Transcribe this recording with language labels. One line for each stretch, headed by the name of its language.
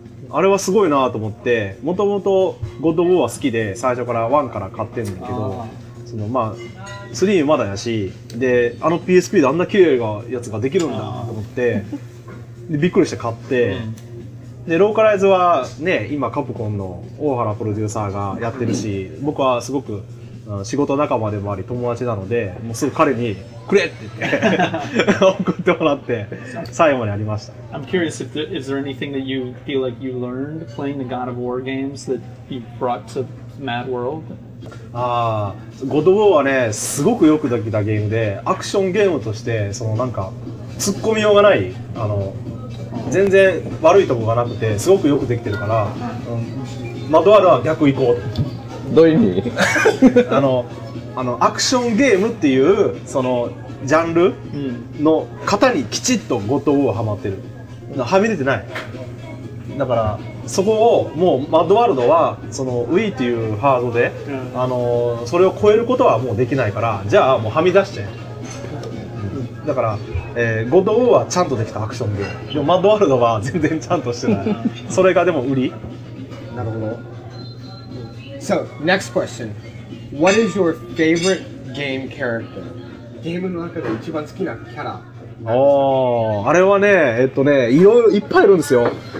Japanese: あれはすごいなと思って、もともとゴッドボーは好きで、最初から1から買ってんねんけど、3まだやし、で、あの PSP であんな綺麗なやつができるんだと思って、でびっくりして買って、で、ローカライズはね、今カプコンの大原プロデューサーがやってるし、僕はすごく仕事仲間でもあり友達なので、もうすぐ彼にくれって言って送ってもらって、最後までやりました。
English: I'm curious, is there anything that you feel like you learned playing the God of War games that you brought to Mad World?
Japanese: ああ、ゴッドウォーはね、すごくよくできたゲームで、アクションゲームとして、そのなんか、突っ込みようがない、全然悪いとこがなくて、すごくよくできてるから、マドワールは逆行こうと。どういう意味アクションゲームっていう、そのジャンルの型にきちっとゴッドウォーははまってる。はみ出てない。だからそこをもうマッドワールドはその Wii っていうハードで、うん、それを超えることはもうできないから、じゃあもうはみ出して、うん、だから、ゴッドウォーはちゃんとできたアクションゲーム、でもマッドワールドは全然ちゃんとしてないそれがでも売り。なるほど。
English: So next question、 What is your favorite game character?
Japanese: ゲームの中で一番好きなキャラ。おー、あれはね、いろいろいっぱいいるんですよ。